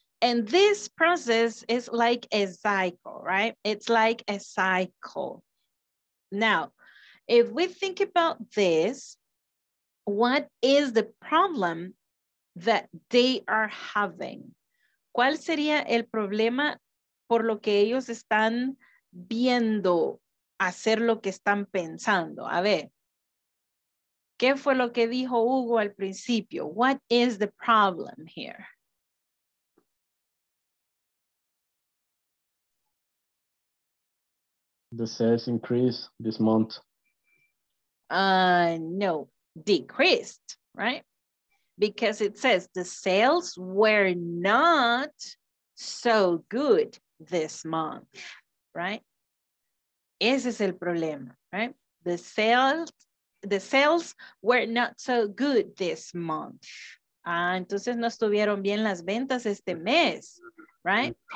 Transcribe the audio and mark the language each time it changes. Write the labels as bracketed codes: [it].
[en] And this process is like a cycle, right? It's like a cycle. Now, if we think about this, what is the problem that they are having? [es] ¿Cuál sería el problema por lo que ellos están viendo hacer lo que están pensando? A ver, ¿qué fue lo que dijo Hugo al principio? [en] What is the problem here? The sales increase this month. No, decreased, right? Because it says the sales were not so good this month, right? [es] Ese es el problema, [en] right? The sales were not so good this month. [es] Entonces no estuvieron bien las ventas este mes, right?